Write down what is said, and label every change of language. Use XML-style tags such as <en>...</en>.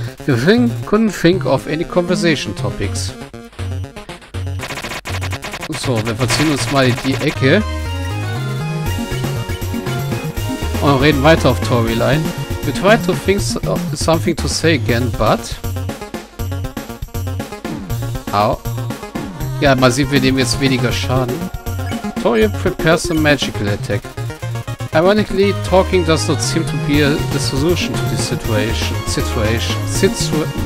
<en>The thing couldn't think of any conversation topics.</en> <de>So, wir verziehen uns mal in die Ecke. Und reden weiter auf Toriel ein.</de> <en>We tried to think something to say again, but... Au.</en> <de>Ja, man sieht, wir nehmen jetzt weniger Schaden.</de> <en>Toriel prepares a magical attack. Ironically, talking does not seem to be the solution to this situation.</en>